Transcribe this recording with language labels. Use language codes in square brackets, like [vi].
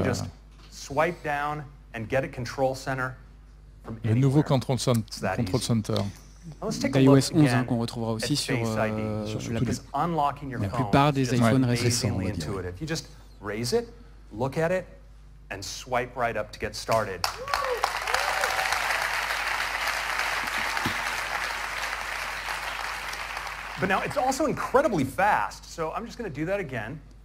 [en] Just swipe down and get a control center. [fr] Le nouveau control center. iOS 11 hein, qu'on retrouvera aussi sur la plupart des iPhones récents. [en] You just raise it, look at it, and swipe right up to get started. But now it's also incredibly fast. So I'm just going to do that again.